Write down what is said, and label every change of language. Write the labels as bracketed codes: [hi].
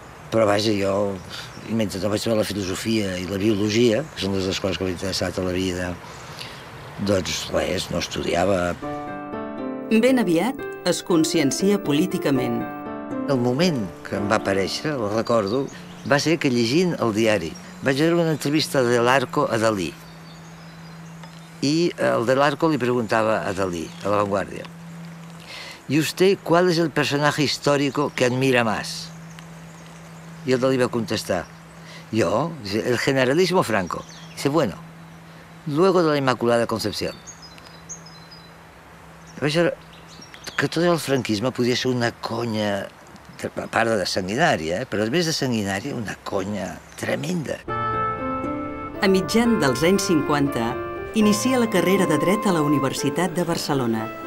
[ca] Però vaja, jo, mentre no vaig saber la filosofia i la biologia, que són les dues coses que m'han interessat a la vida, doncs res, no estudiava. Ben aviat es consciencia políticament. El moment que em va aparèixer, el recordo, va ser que llegint el diari vaig veure una entrevista de l'Arco a Dalí. I el de l'Arco li preguntava a Dalí, a La Vanguardia: [es] «¿Y usted cuál es el personaje histórico que admira más?» [ca] I el Dalí va contestar: [es] «Yo, el generalismo Franco». Dice: «Bueno, luego de la Inmaculada Concepción». [ca] Vaig veure que tot el franquisme podia ser una conya, a part de sanguinària, però a més de sanguinària, una conya tremenda. A mitjan dels anys 50, inicia la carrera de dret a la Universitat de Barcelona.